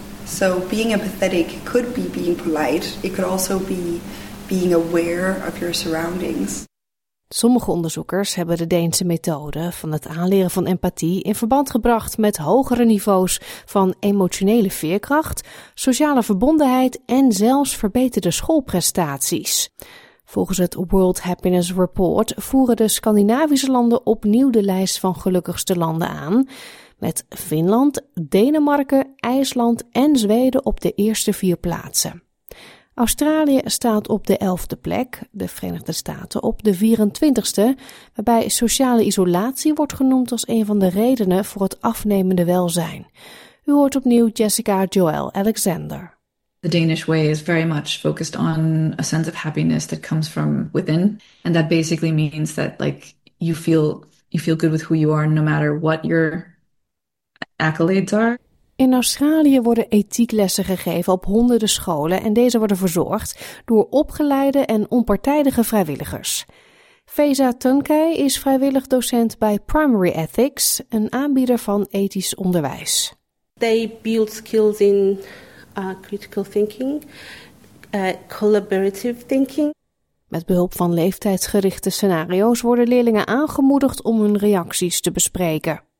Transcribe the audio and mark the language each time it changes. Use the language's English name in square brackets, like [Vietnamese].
[English] So being empathetic could be being polite. It could also be being aware of your surroundings. [Dutch] Sommige onderzoekers hebben de Deense methode van het aanleren van empathie in verband gebracht met hogere niveaus van emotionele veerkracht, sociale verbondenheid en zelfs verbeterde schoolprestaties. Volgens het World Happiness Report voeren de Scandinavische landen opnieuw de lijst van gelukkigste landen aan, met Finland, Denemarken, IJsland en Zweden op de eerste 4 plaatsen. Australië staat op de 11e plek, de Verenigde Staten op de 24e, waarbij sociale isolatie wordt genoemd als een van de redenen voor het afnemende welzijn. U hoort opnieuw Jessica Joel Alexander. [English] The Danish way is very much focused on a sense of happiness that comes from within. And that basically means that like you feel good with who you are no matter what your accolades are. [Dutch] In Australië worden ethieklessen gegeven op honderden scholen en deze worden verzorgd door opgeleide en onpartijdige vrijwilligers. Feza Tunkey is vrijwillig docent bij Primary Ethics, een aanbieder van ethisch onderwijs. [English] They build skills in critical thinking, collaborative thinking. [Dutch] Met behulp van leeftijdsgerichte scenario's worden leerlingen aangemoedigd om hun reacties te bespreken.